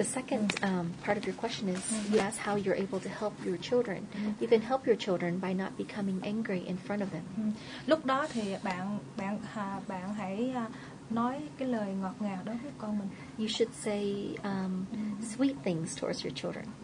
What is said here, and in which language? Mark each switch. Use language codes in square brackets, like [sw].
[en] The second part of your question is you ask how you're able to help your children. You can help your children by not becoming angry in front of them. [vi] Lúc đó thì bạn hãy nói cái lời ngọt ngào đối với con mình. [en] You should say sweet things towards your children.